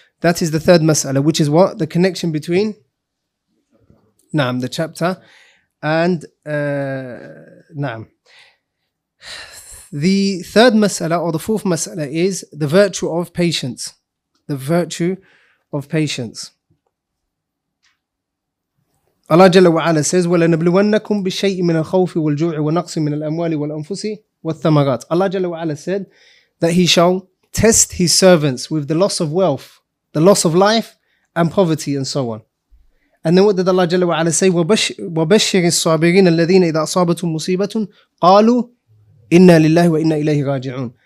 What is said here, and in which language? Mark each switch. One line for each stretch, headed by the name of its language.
English: That is the third mas'ala, which is what? The connection between? Naam, the chapter. And naam. The third mas'ala, or the fourth mas'ala, is the virtue of patience. The virtue of patience. Allah Jalla wa Ala says,
Arabic: وَلَنَبْلُوَنَّكُمْ بِشَيْءٍ مِنَ الْخَوْفِ وَالْجُوعِ وَنَقْصٍ مِنَ الْأَمْوَالِ وَالْأَنفُسِ وَالثَّمَرَاتِ.
English: Allah Jalla wa Ala said that He shall test His servants with the loss of wealth, the loss of life, and poverty, and so on. And then what did Allah Jalla wa Ala say?
Arabic: وَبَشِّرِ الصَّابِرِينَ الَّذِينَ إِذَا أَصَابَتْهُمْ مُصِيبَةٌ قَالُوا إِنَّا لِلَّهِ وَإِنَّا إِلَيْهِ رَاجِعُونَ.